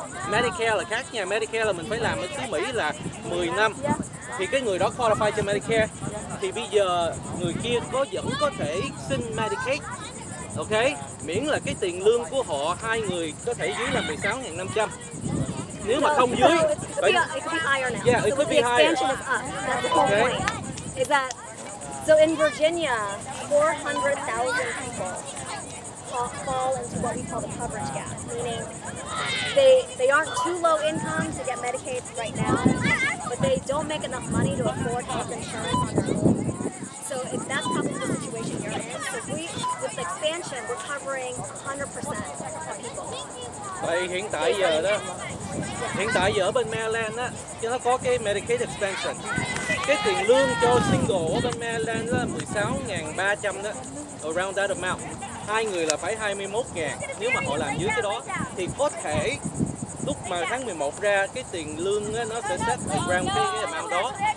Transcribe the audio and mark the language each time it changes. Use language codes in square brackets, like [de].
[vi] Medicare là khác nha, Medicare là mình phải làm ở xứ Mỹ là 10 năm thì cái người đó qualify cho Medicare, thì bây giờ người kia có vẫn có thể xin Medicaid. Ok, miễn là cái tiền lương của họ hai người có thể dưới là 16.500, nếu mà không dưới [en] vậy it could be higher. Okay. Is that so in Virginia 400,000 people fall into what we call the coverage gap, meaning they aren't too low income to get Medicaid right now, but they don't make enough money to afford health insurance on their own. So if that's probably the situation you're in. So we, with the expansion, we're covering 100% of people. [vi] Tại hiện tại giờ đó, hiện tại giờ ở bên Maryland á, nó có cái Medicaid expansion. cái tiền lương cho single ở bên Maryland là 16.300 đó, [en] around that amount. [vi] Hai người là phải 21.000 nếu mà họ làm dưới cái đó. Thì có thể lúc mà tháng 11 ra cái tiền lương đó, nó sẽ set around cái amount đó.